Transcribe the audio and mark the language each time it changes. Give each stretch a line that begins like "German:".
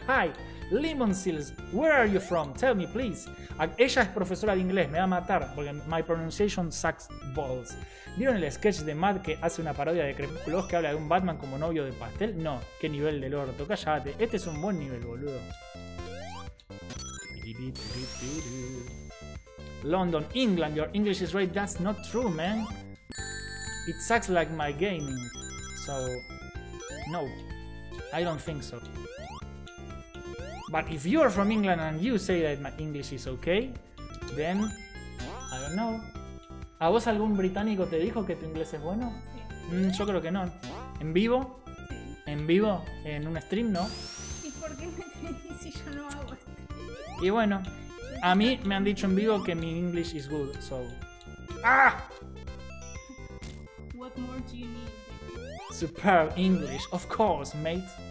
English: Hi, Lemon Seals, where are you from? Tell me, please.
Spanish: Ella es profesora de inglés, me va a matar, porque my pronunciation sucks balls. ¿Vieron el sketch de Matt que hace una parodia de Crepúsculo que habla de un Batman como novio de pastel? No, qué nivel del orto, cállate. Este es un buen nivel, boludo.
English: London, England, your English is right. That's not true, man. It sucks like my gaming. So, no, I don't think so. But if you are from England and you say that my English is okay, then I don't know.
Spanish: ¿A vos algún británico te dijo que tu inglés es bueno? Sí. Yo creo que no. ¿En vivo? ¿En vivo? ¿En un stream, no? ¿Y por qué me tenés si yo no hago stream? Y bueno, a mí me han dicho en vivo que mi English is good, so... ¡Ah!
English: What more do you need? Superb English, of course, mate.